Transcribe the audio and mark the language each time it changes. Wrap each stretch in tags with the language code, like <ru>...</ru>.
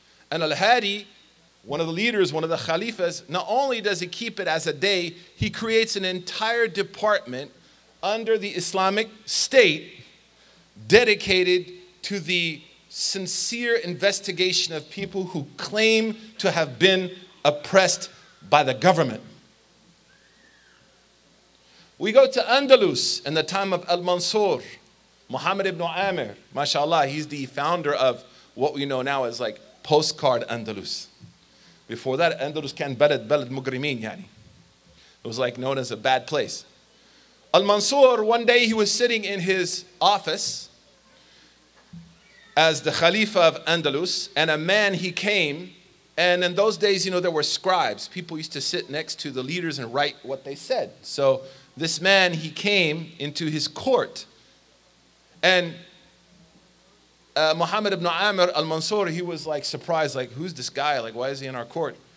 <en>And Al-Hadi, one of the leaders, one of the khalifas, not only does he keep it as a day, he creates an entire department under the Islamic State dedicated to the sincere investigation of people who claim to have been oppressed by the government. We go to Andalus in the time of Al-Mansur, Muhammad ibn Amir, mashallah, he's the founder of what we know now as like postcard Andalus. Before that,</en> <ar>Andalus كان بلد مجرمين يعني.</ar> <en>It was like known as a bad place. Al-Mansur, one day he was sitting in his office as the Khalifa of Andalus, and a man, he came, and in those days, you know, there were scribes. People used to sit next to the leaders and write what they said. So this man, he came into his court, and Muhammad ibn Amr al-Mansur, he was like surprised, like, who's this guy? Like, why is he in our court?</en>